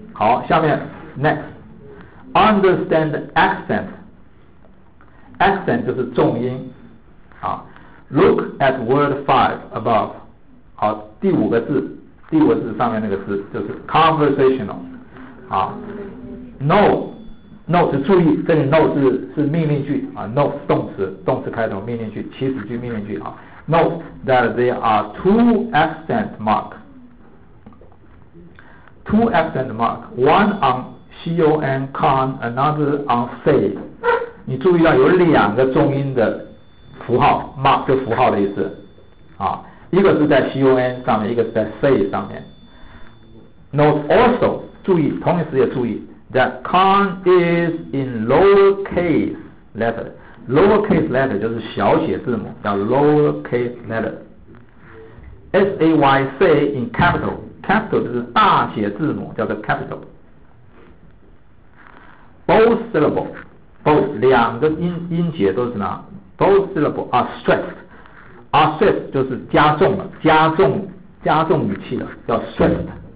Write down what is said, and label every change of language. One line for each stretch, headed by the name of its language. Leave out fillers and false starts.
English: 好，下面 next understand accent。 Accent
Chinese: 就是重音。
English: 啊 ，Look at word five above。
Chinese: 好，第五个字上面那个字就是 conversational。啊 ，no， 是注意，这里 no 是命令句啊 ，no 是动词开头命令句，祈使句命令句啊 ，
English: note that there are two accent mark， one on con con， another on say，
Chinese: 你注意到有两个重音的符号 mark 就符号的意思啊，一个是在 con 上面，一个是在 say 上面 ，
English: note also。
Chinese: 注意，同时也注意
English: that con is in lowercase letter.
Chinese: Lowercase letter 就是小写字母，叫 lowercase letter.
English: Say say in capital.
Chinese: Capital 就是大写字母，叫做 capital.
English: Both syllable, both
Chinese: 两个音节都是哪
English: ？Both syllable are stressed
Chinese: 就是加重了，加重语气了，
English: 叫 stressed.